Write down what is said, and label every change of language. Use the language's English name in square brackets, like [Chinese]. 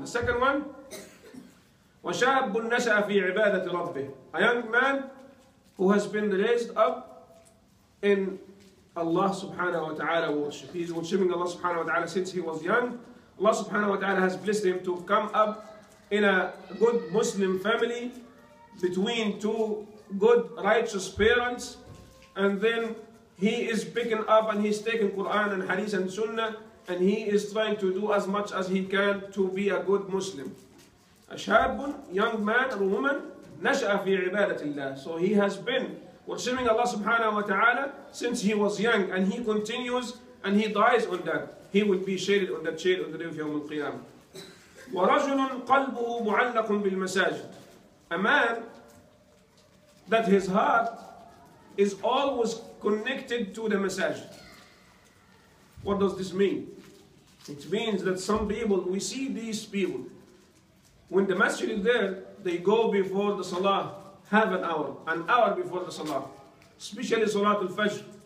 [English] The second one, [Arabic] وشاب نشأ في عبادة ربه. [English] A young man who has been raised up in Allah subhanahu wa ta'ala worship. He's worshipping Allah subhanahu wa ta'ala since he was young. Allah subhanahu wa ta'ala has blessed him to come up in a good Muslim family between two good righteous parents, and then he is picking up and he's taking Quran and Hadith and Sunnah, and he is trying to do as much as he can to be a good Muslim. A shab, young man or woman, nasha fi ibadatillah. So he has been worshipping Allah subhanahu wa ta'ala since he was young, and he continues and he dies on that. He will be shaded on that chair on the day of Yawm al-Qiyamah. [Arabic] ورجل قلبه معلق بالمساجد. [English] A man that his heart is always connected to the masajid. What does this mean? It means that some people, we see these people, when the masjid is there, they go before the salah, have an hour before the salah, especially salatul fajr.